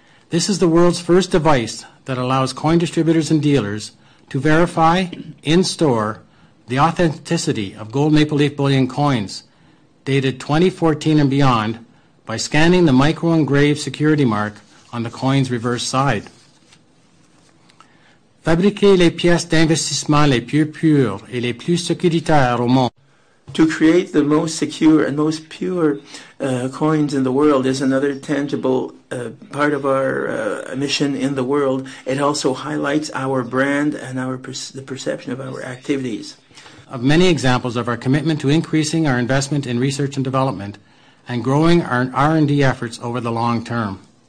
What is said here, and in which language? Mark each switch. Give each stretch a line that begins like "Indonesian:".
English: This is the world's first device that allows coin distributors and dealers to verify in-store the authenticity of gold maple leaf bullion coins dated 2014 and beyond by scanning the micro-engraved security mark on the coin's reverse side.
French: Fabriquer les pièces d'investissement les plus pures et les plus sécuritaires au monde.
English: To create the most secure and most pure coins in the world is another tangible part of our mission in the world. It also highlights our brand and our the perception of our activities. Of many examples of our commitment to increasing our investment in research and development and growing our R&D efforts over the long term.